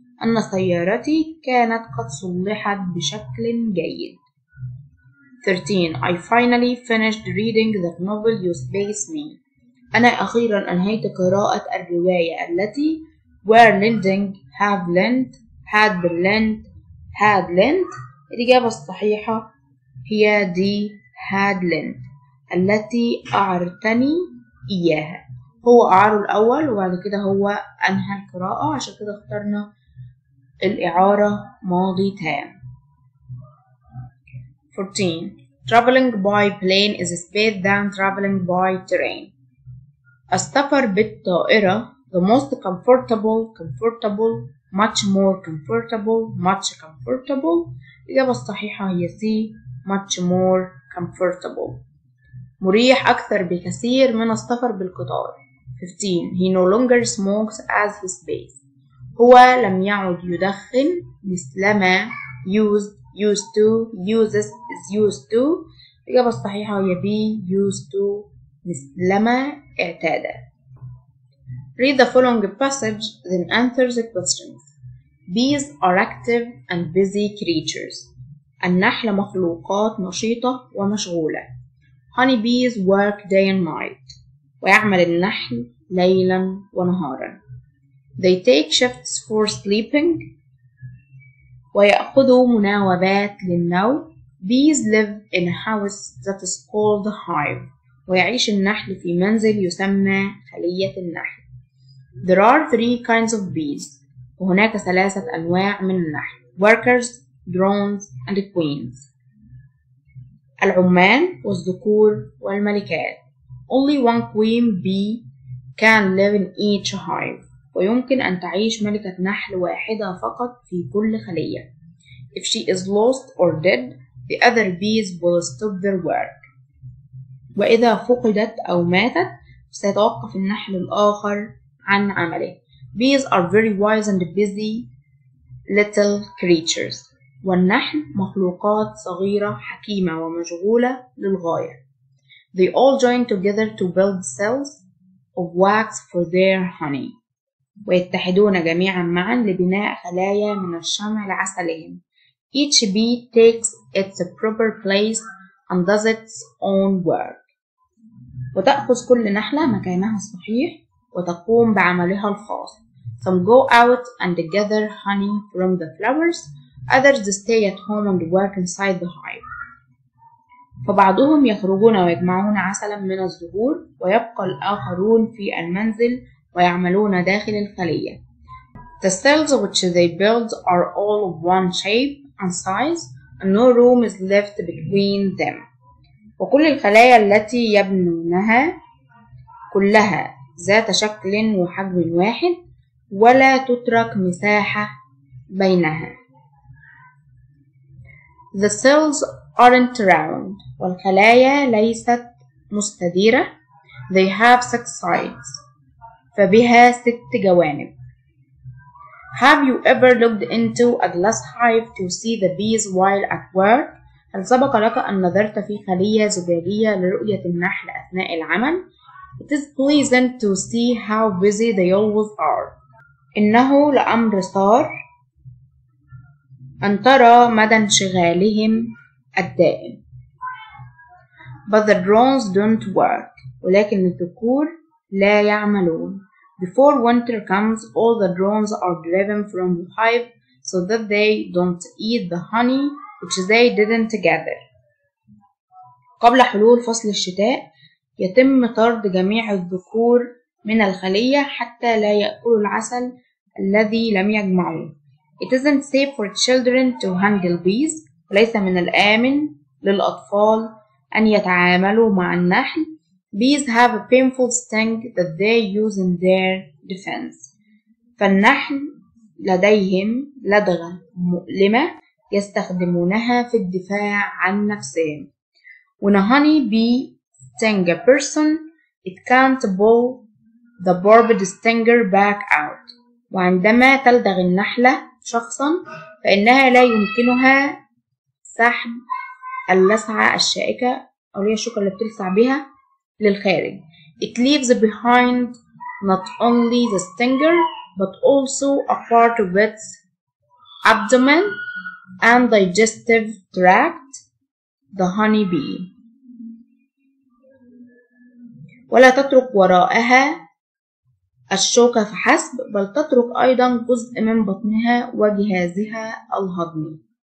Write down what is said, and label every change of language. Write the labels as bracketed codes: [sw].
[ar] أن سيارتي كانت قد صلحت بشكل جيد. [en] 13. I finally finished reading the novel you space me. [ar] أنا أخيرا أنهيت قراءة الرواية التي [en] were lending, have lent, had been lent, had lent. [ar] الإجابة الصحيحة هي D [en] had lent [ar] التي أعرتني إياها. هو أعاره الأول وبعد كده هو أنهى القراءة عشان كده اخترنا الإعارة ماضي تام. [en] 14. Traveling by plane is speed than traveling by train. [ar] السفر بالطائرة [en] the most comfortable, comfortable, much more comfortable, much comfortable. [ar] الإجابة الصحيحة هي [en] C much more comfortable. [ar] مريح أكثر بكثير من السفر بالقطار. [en] 15. He no longer smokes as he space. [ar] هو لم يعد يدخن مثلما [en] used to. [ar] الإجابة الصحيحة هي B [en] used to [ar] مثلما اعتاد. [en] Read the following passage then answer the questions. Bees are active and busy creatures. [ar] النحل مخلوقات نشيطة ومشغولة. [en] Honey bees work day and night. [ar] ويعمل النحل ليلا ونهارا. [en] They take shifts for sleeping. [ar] ويأخذوا مناوبات للنوم. [en] Bees live in a house that is called a hive. [ar] ويعيش النحل في منزل يسمى خلية النحل. [en] There are three kinds of bees. [ar] وهناك ثلاثة أنواع من النحل. [en] Workers, drones, and queens. [ar] العمان والذكور والملكات. [en] Only one queen bee can live in each hive. [ar] ويمكن أن تعيش ملكة نحل واحدة فقط في كل خلية. [en] If she is lost or dead, the other bees will stop their work. [ar] وإذا فقدت أو ماتت سيتوقف النحل الآخر عن عمله. [en] Bees are very wise and busy little creatures. [ar] والنحل مخلوقات صغيرة حكيمة ومشغولة للغاية. [en] They all join together to build cells of wax for their honey. [ar] ويتحدون جميعا معا لبناء خلايا من الشمع لعسلهم. [en] Each bee takes its proper place and does its own work. [ar] وتأخذ كل نحلة مكانها الصحيح وتقوم بعملها الخاص. [en] Some go out and gather honey from the flowers. Others stay at home and work inside the hive. [ar] فبعضهم يخرجون ويجمعون عسلا من الزهور ويبقى الآخرون في المنزل ويعملون داخل الخلية. [en] The cells which they build are all of one shape and size and no room is left between them. [ar] وكل الخلايا التي يبنونها كلها ذات شكل وحجم واحد ولا تترك مساحة بينها. [en] The cells aren't round. [ar] والخلايا ليست مستديرة. [en] They have six sides. [ar] فبها 6 جوانب. [en] Have you ever looked into a glass hive to see the bees while at work؟ [ar] هل سبق لك أن نظرت في خلية زجاجية لرؤية النحل أثناء العمل؟ [en] It is pleasant to see how busy they always are. [ar] إنه لأمر صار أن ترى مدى انشغالهم الدائم. [en] But the drones don't work. [ar] ولكن الذكور لا يعملون. [en] Before winter comes, all the drones are driven from the hive so that they don't eat the honey which they didn't gather. [ar] قبل حلول فصل الشتاء يتم طرد جميع الذكور من الخلية حتى لا يأكلوا العسل الذي لم يجمعوه. [en] It isn't safe for children to handle bees. [ar] ليس من الآمن للأطفال أن يتعاملوا مع النحل. [en] Bees have a painful sting that they use in their defense. [ar] فالنحل لديهم لدغة مؤلمة يستخدمونها في الدفاع عن نفسهم. [en] When a honey bee sting a person, it can't pull the barbed stinger back out. [ar] وعندما تلدغ النحلة شخصا فإنها لا يمكنها سحب اللسعة الشائكة أو هي الشوكة اللي بتلسع بها للخارج. [en] It leaves behind not only the stinger but also a part of its abdomen and digestive tract, the honey bee. [ar] ولا تترك وراءها الشوكة فحسب بل تترك أيضا جزء من بطنها وجهازها الهضمي.